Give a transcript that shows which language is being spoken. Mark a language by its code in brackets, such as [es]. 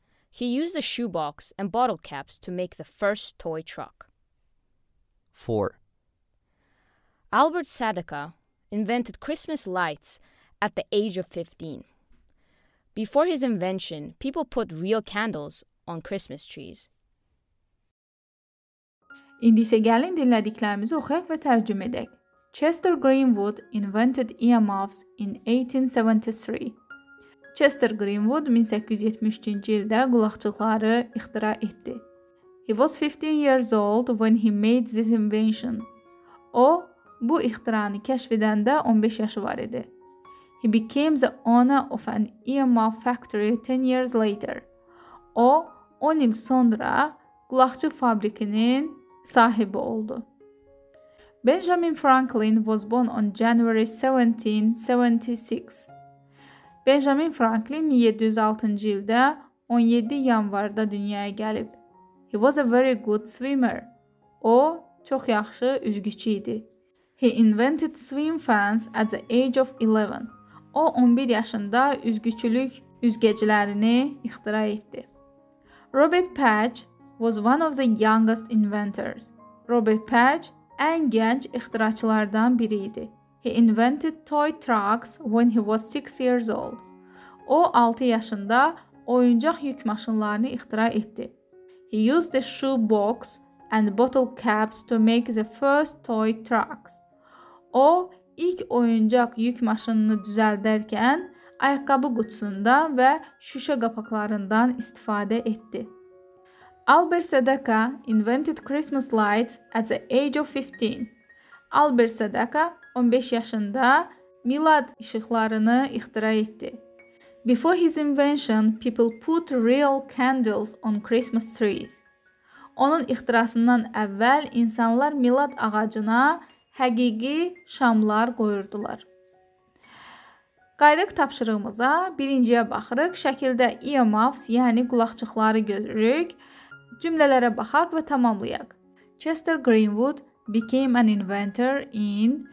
[en] He used a shoebox and bottle caps to make the first toy truck. 4. Albert Sadaka invented Christmas lights at the age of 15. Before his invention, people put real candles on Christmas trees. [az] İndi isə gəlin dinlədiklərimizi oxuyaq və tərcümə edək. [en] Chester Greenwood invented earmuffs in 1873. [az] Chester Greenwood 1873-cü ildə qulaqçıqları ixtira etdi. [en] He was 15 years old when he made this invention. [az] O, bu ixtiranı kəşf edəndə 15 yaşı var idi. [en] He became the owner of an earmuff factory 10 years later. [az] O, 10 il sonra qulaqçıq fabrikinin sahibi oldu. [en] Benjamin Franklin was born on January 1776. [az] Benjamin Franklin 1706-cı ildə 17 yanvarda dünyaya gəlib. [en] He was a very good swimmer. [az] O, çox yaxşı üzgüçü idi. [en] He invented swim fans at the age of 11. [az] O, 11 yaşında üzgüçülük üzgəcilərini ixtira etdi. [en] Robert Patch was one of the youngest inventors. [az] Robert Patch ən gənc ixtiraçılardan biri idi. [en] He invented toy trucks when he was 6 years old. [az] O, 6 yaşında oyuncaq yük maşınlarını ixtira etdi. [en] He used a shoe box and bottle caps to make the first toy trucks. [az] O, ilk oyuncaq yük maşınını düzəldərkən, ayaqqabı qutusundan və şüşə qapaqlarından istifadə etdi. [en] Albert Sadaka invented Christmas lights at the age of 15. [az] Albert Sadaka 15 yaşında milad işıqlarını ixtira etdi. [en] Before his invention, people put real candles on Christmas trees. [az] Onun ixtirasından əvvəl insanlar milad ağacına həqiqi şamlar qoyurdular. Qayıdaq tapşırığımıza, birinciyə baxırıq. Şəkildə earmuffs, yəni qulaqçıqları görürük. Cümlələrə baxaq və tamamlayaq. [en] Chester Greenwood became an inventor in...